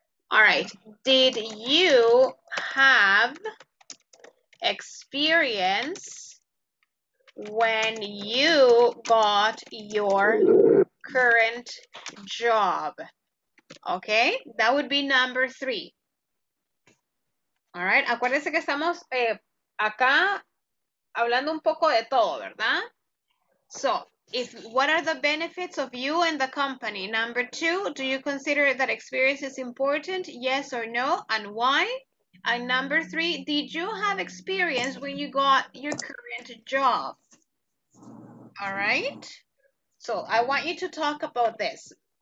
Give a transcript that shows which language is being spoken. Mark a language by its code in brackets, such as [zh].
[en] All right, did you have experience when you got your current job? Okay, that would be number three. All right, [es] acuérdense que estamos acá hablando un poco de todo, ¿verdad? [en] So, what are the benefits of you and the company? Number two, do you consider that experience is important? Yes or no, and why? And number three, did you have experience when you got your current job? All right. So I want you to talk about this.